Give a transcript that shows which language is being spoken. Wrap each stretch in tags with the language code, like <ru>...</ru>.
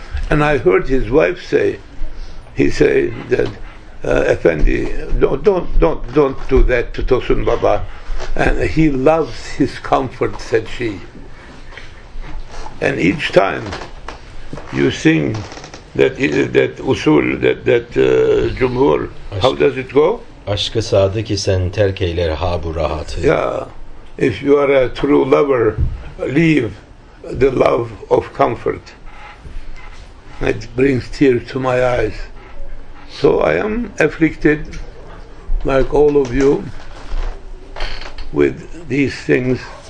<en>And I heard his wife say, he said that, "Effendi, don't do that to Tosun Baba. And he loves his comfort," said she. And each time you sing that usul, that cumhur, how does it go?</en> <tr>Aşkı sadık isen terk eyler ha bu rahatı.</tr> <en>Yeah, if you are a true lover, leave the love of comfort. It brings tears to my eyes. So I am afflicted, like all of you, with these things.</en>